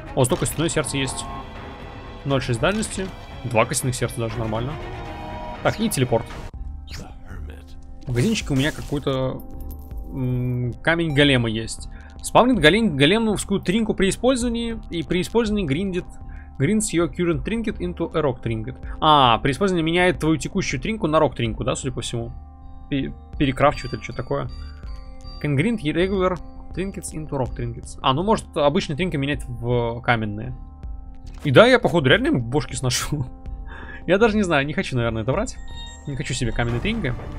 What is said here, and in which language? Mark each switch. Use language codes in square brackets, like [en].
[ru] О, столько костяное сердце есть. 0,6 дальности. Два костяных сердца даже нормально. Так, и телепорт. Магазинчик у меня какой-то... камень голема есть. Спавнит големовскую тринку при использовании. И при использовании гриндит... Гринс ее [en] current trinket into a rock trinket. [ru] А, при использовании меняет твою текущую тринку на рок тринку, да, судя по всему. Перекрафчивает или что такое. [en] Can grind regular trinkets into rock trinkets. [ru] А, ну может обычные тринки менять в каменные. И да, я походу реально бошки сношу. Я даже не знаю, не хочу, наверное, это брать. Не хочу себе каменные тринки.